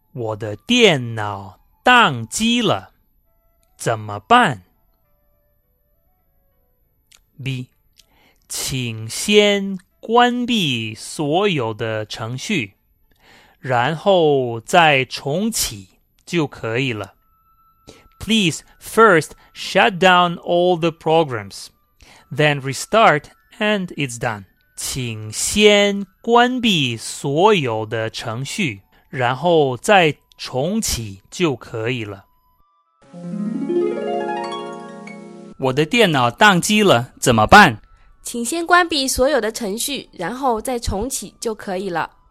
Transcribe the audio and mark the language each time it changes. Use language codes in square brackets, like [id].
[zh] 我的电脑宕机了，怎么办？ [en] B. [zh] 请先关闭所有的程序，然后再重启就可以了。 [en] Please first shut down all the programs, then restart and it's done. [zh] 请先关闭所有的程序，然后再重启就可以了。我的电脑宕机了，怎么办？请先关闭所有的程序，然后再重启就可以了。